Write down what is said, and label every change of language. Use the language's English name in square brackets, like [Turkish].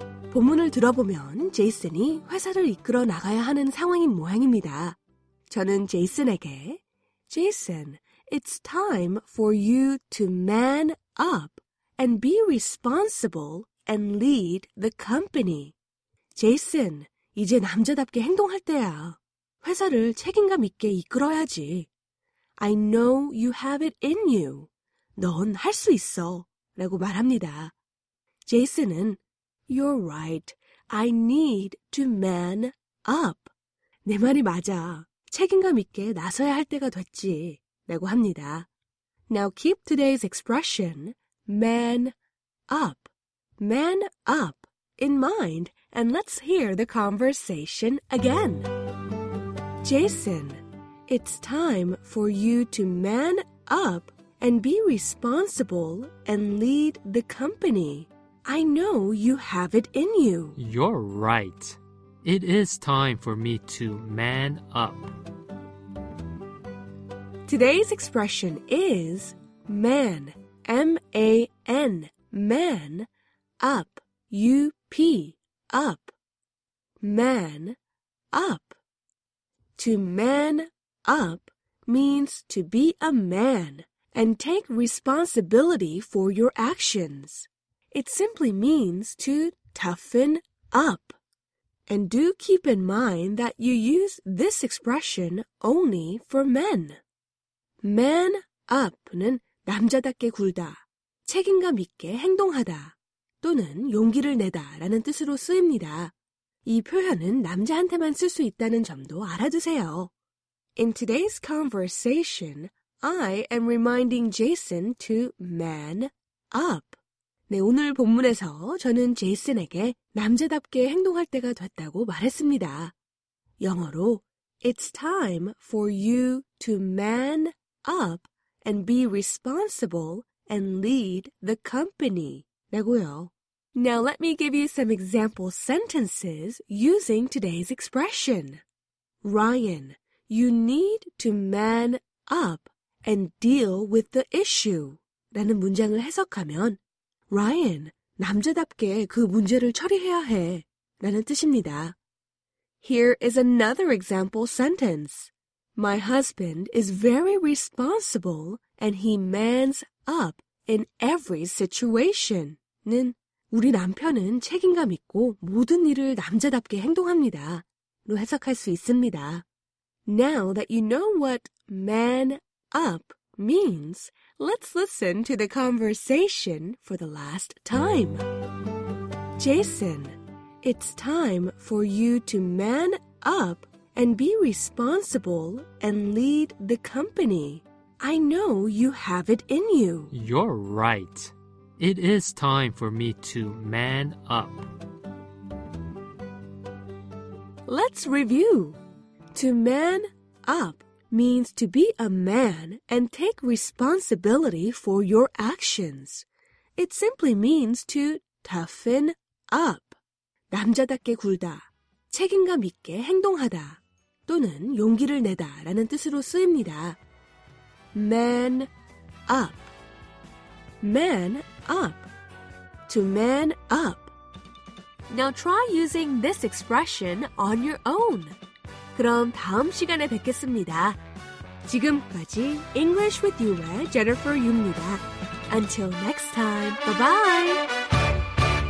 [Korean] 본문을 들어보면 제이슨이 회사를 이끌어 나가야 하는 상황인 모양입니다. 저는 제이슨에게, [English] Jason, it's time for you to man up and be responsible and lead the company. [Korean] Jason, 이제 남자답게 행동할 때야. 회사를 책임감 있게 이끌어야지. [English] I know you have it in you. [Korean] 넌 할 수 있어. 라고 말합니다. [English] Jason은 You're right. I need to man up. [Korean] 내 말이 맞아. 책임감 있게 나서야 할 때가 됐지. 라고 합니다. [English] Now keep today's expression. Man up, man up in mind, and let's hear the conversation again. Jason, it's time for you to man up and be responsible and lead the company. I know you have it in you. You're right. It is time for me to man up. Today's expression is man up. M-A-N, man, up, U-P, up, man, up. To man up means to be a man and take responsibility for your actions. It simply means to toughen up. And do keep in mind that you use this expression only for men. [Korean] Man up는 남자답게 굴다, 책임감 있게 행동하다, 또는 용기를 내다 라는 뜻으로 쓰입니다. 이 표현은 남자한테만 쓸 수 있다는 점도 알아두세요. [English] In today's conversation, I am reminding Jason to man up. [Korean] 네, 오늘 본문에서 저는 제이슨에게 남자답게 행동할 때가 됐다고 말했습니다. 영어로 [English] It's time for you to man up and be responsible and lead the company. [Korean] 라고요. [English] Now let me give you some example sentences using today's expression. Ryan, you need to man up and deal with the issue. [Korean] 라는 문장을 해석하면 Ryan, 남자답게 그 문제를 처리해야 해. 라는 뜻입니다. [English] Here is another example sentence. My husband is very responsible and he mans up in every situation. [Korean] 는 우리 남편은 책임감 있고 모든 일을 남자답게 행동합니다. 로 해석할 수 있습니다. [English] Now that you know what man up means, let's listen to the conversation for the last time. Jason, it's time for you to man up and be responsible and lead the company. I know you have it in you. You're right. It is time for me to man up. Let's review. To man up means to be a man and take responsibility for your actions. It simply means to toughen up. [Korean] 남자답게 굴다, 책임감 있게 행동하다, 또는 용기를 내다 라는 뜻으로 쓰입니다. [English] Man up. Man up. To man up. Now try using this expression on your own. [Korean] 그럼 다음 시간에 뵙겠습니다. 지금까지 English with You의 Jennifer Yu입니다. [English] Until next time, bye-bye!